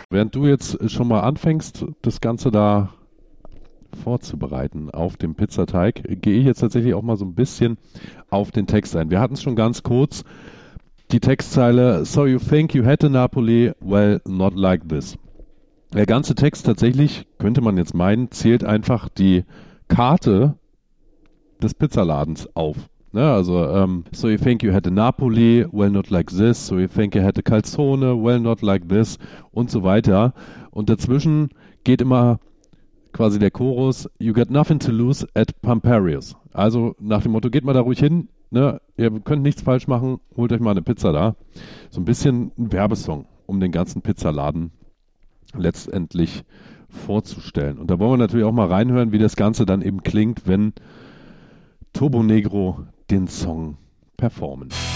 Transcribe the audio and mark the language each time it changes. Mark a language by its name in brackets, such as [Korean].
[German] Während du jetzt schon mal anfängst, das Ganze da vorzubereiten auf dem Pizzateig, gehe ich jetzt tatsächlich auch mal so ein bisschen auf den Text ein. Wir hatten es schon ganz kurz, die Textzeile, [English] So you think you had a Napoli? Well, not like this. [German] Der ganze Text tatsächlich, könnte man jetzt meinen, zählt einfach die Karte des Pizzaladens auf. Ja, also, [English] So you think you had a Napoli? Well, not like this. So you think you had a Calzone? Well, not like this. [German] Und so weiter. Und dazwischen geht immer quasi der [English] Chorus, you got nothing to lose at Pamperius. [German] Also nach dem Motto, geht mal da ruhig hin, ne? Ihr könnt nichts falsch machen, holt euch mal eine Pizza da. So ein bisschen ein Werbesong, um den ganzen Pizzaladen letztendlich vorzustellen. Und da wollen wir natürlich auch mal reinhören, wie das Ganze dann eben klingt, wenn Turbo Negro den Song performen.